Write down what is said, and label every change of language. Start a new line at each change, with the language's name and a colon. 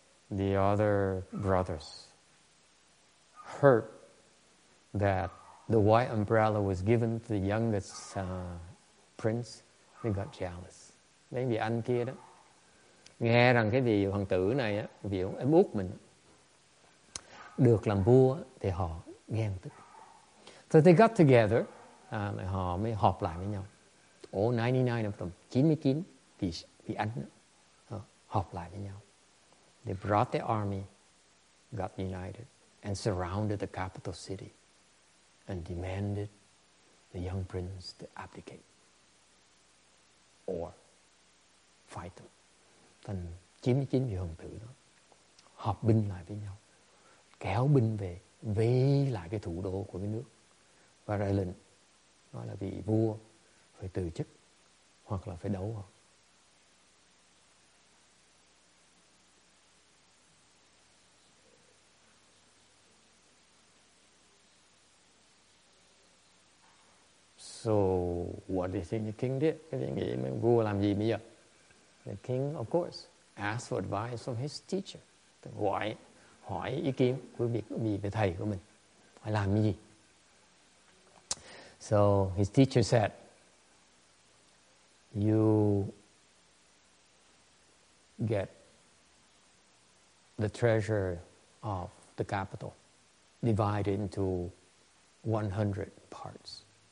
English: The other brothers heard that the white umbrella was given to the youngest prince. They got jealous.
Vietnamese: Đấy, vị anh kia đó nghe rằng cái vị hoàng tử này á, vị ông em út mình được làm vua thì họ ghen tức.
English: So they got together,
Vietnamese: họ mới họp lại với nhau.
English: All 99 of them,
Vietnamese: 99 vị anh đó, họp lại với nhau.
English: They brought the army, got united, and surrounded the capital city, and demanded the young prince to abdicate or fight them.
Vietnamese: Thành 99 vị hoàng tử đó họp binh lại với nhau, kéo binh về vây lại cái thủ đô của cái nước và ra lệnh nói là vị vua phải từ chức hoặc là phải đấu họ.
English: So what do you think the king did?
Vietnamese: Nghĩ vua làm gì bây giờ? The king, of course, asked for advice from his teacher. Hỏi ý kiến của vị thầy của mình. Phải làm cái gì?
English: So his teacher said, you get the treasure of the capital divided into 100 parts.